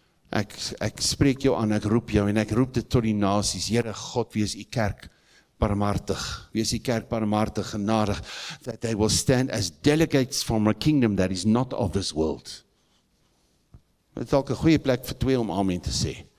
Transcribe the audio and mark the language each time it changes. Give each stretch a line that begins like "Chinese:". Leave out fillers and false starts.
Afrikaans: Ek spreek jou aan, ek roep jou en ek roep dit tot die nasies. Here God, wees die kerk barmhartig. Wees die kerk barmhartig, genadig.
English: That they will stand as delegates from a kingdom that is not of this world.
Afrikaans: Dit is ook een goeie plek vir twee om amen te sê.